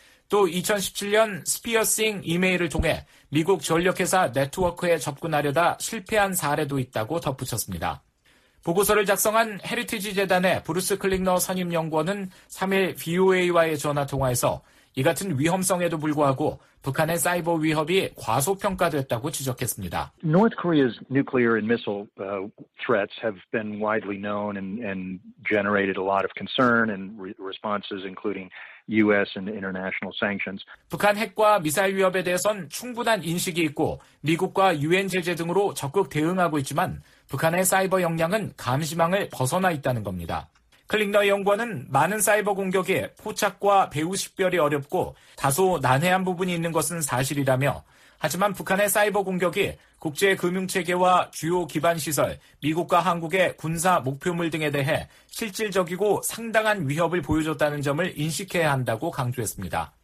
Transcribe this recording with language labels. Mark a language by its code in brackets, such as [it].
[ko] 또 2017년 스피어싱 이메일을 통해 미국 전력회사 네트워크에 접근하려다 실패한 사례도 있다고 덧붙였습니다. 보고서를 작성한 헤리티지 재단의 브루스 클릭너 선임연구원은 3일 VOA와의 전화통화에서 이 같은 위험성에도 불구하고 북한의 사이버 위협이 과소평가됐다고 지적했습니다. [en] North Korea's nuclear and missile threats have been widely known and generated a lot of concern and responses including US and international sanctions. [ko] 북한 핵과 미사일 위협에 대해선 충분한 인식이 있고 미국과 유엔 제재 등으로 적극 대응하고 있지만 북한의 사이버 역량은 감시망을 벗어나 있다는 겁니다. 클릭너 연구원은 많은 사이버 공격에 포착과 배후 식별이 어렵고 다소 난해한 부분이 있는 것은 사실이라며 하지만 북한의 사이버 공격이 국제금융체계와 주요 기반시설, 미국과 한국의 군사 목표물 등에 대해 실질적이고 상당한 위협을 보여줬다는 점을 인식해야 한다고 강조했습니다.